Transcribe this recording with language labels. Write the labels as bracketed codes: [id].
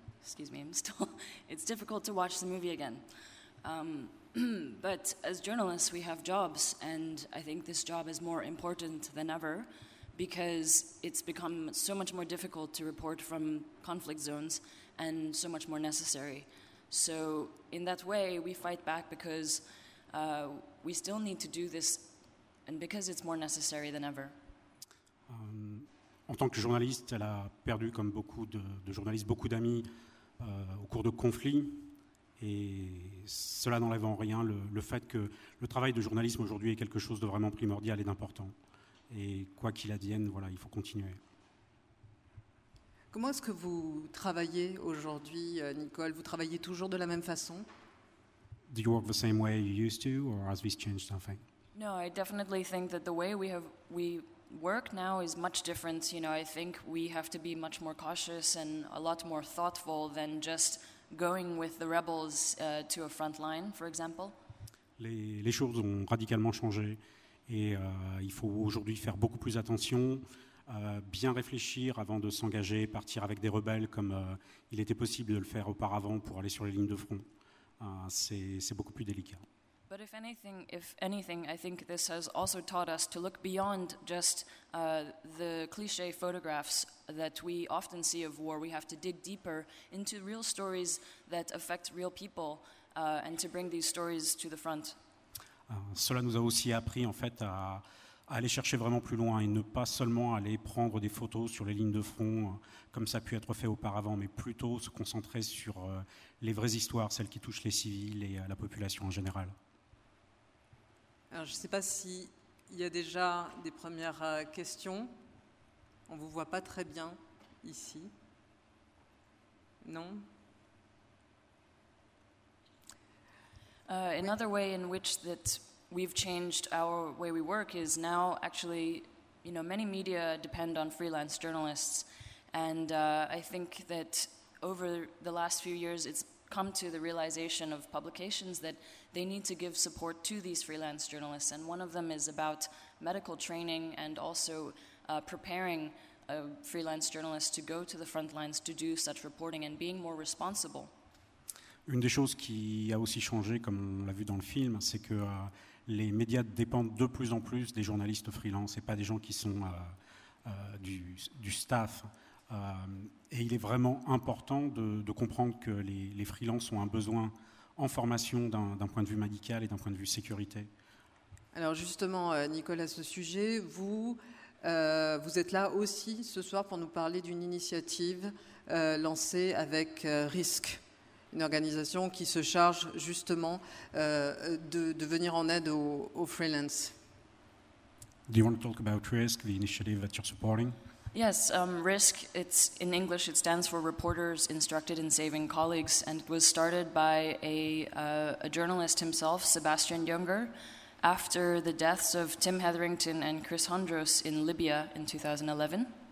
[en] Excuse me, it's difficult to watch the movie again. but as journalists, we have jobs, and I think this job is more important than ever because it's become so much more difficult to report from conflict zones and so much more necessary. So in that way, we fight back because we still need to do this and because it's more necessary than ever. [fr] En tant que journaliste, elle a perdu, comme beaucoup de journalistes, beaucoup d'amis au cours de conflits. Et cela n'enlève en rien le fait que le travail de journalisme aujourd'hui est quelque chose de vraiment primordial et d'important. Et quoi qu'il advienne, voilà, il faut continuer. Comment est-ce que vous travaillez aujourd'hui, Nicole? Vous travaillez toujours de la même façon? [en] Do you work the same way you used to, or has this changed something? No, I definitely think that the way we work now is much different. You know, I think we have to be much more cautious and a lot more thoughtful than just going with the rebels to a front line, for example. [fr] Les choses ont radicalement changé et il faut aujourd'hui faire beaucoup plus attention, bien réfléchir avant de s'engager, partir avec des rebelles comme il était possible de le faire auparavant pour aller sur les lignes de front. C'est beaucoup plus délicat. [en] But if anything, I think this has also taught us to look beyond just the cliche photographs that we often see of war. We have to dig deeper into real stories that affect real people and to bring these stories to the front. [fr] Cela nous a aussi appris en fait à aller chercher vraiment plus loin et ne pas seulement aller prendre des photos sur les lignes de front comme ça a pu être fait auparavant, mais plutôt se concentrer sur les vraies histoires, celles qui touchent les civils et la population en général. Alors, je ne sais pas s'il y a déjà des premières questions. On ne vous voit pas très bien ici. Non? [en] Another way in which that we've changed our way we work is now actually, you know, many media depend on freelance journalists. And I think that over the last few years, it's come to the realization of publications that they need to give support to these freelance journalists, and one of them is about medical training and also preparing a freelance journalist to go to the front lines to do such reporting and being more responsible. [fr] Une des choses qui a aussi changé, comme on l'a vu dans le film, c'est que les médias dépendent de plus en plus des journalistes freelance et pas des gens qui sont du staff. Et il est vraiment important de comprendre que les freelances ont un besoin en formation d'un point de vue médical et d'un point de vue sécurité. Alors justement, Nicolas, ce sujet, vous êtes là aussi ce soir pour nous parler d'une initiative lancée avec RISC, une organisation qui se charge justement de venir en aide aux freelance. [en] Do you want to talk about RISC, the initiative that you're supporting? Yes, RISC, it's in English, it stands for Reporters Instructed in Saving Colleagues, and it was started by a journalist himself, Sebastian Junger, after the deaths of Tim Hetherington and Chris Hondros in Libya in 2011.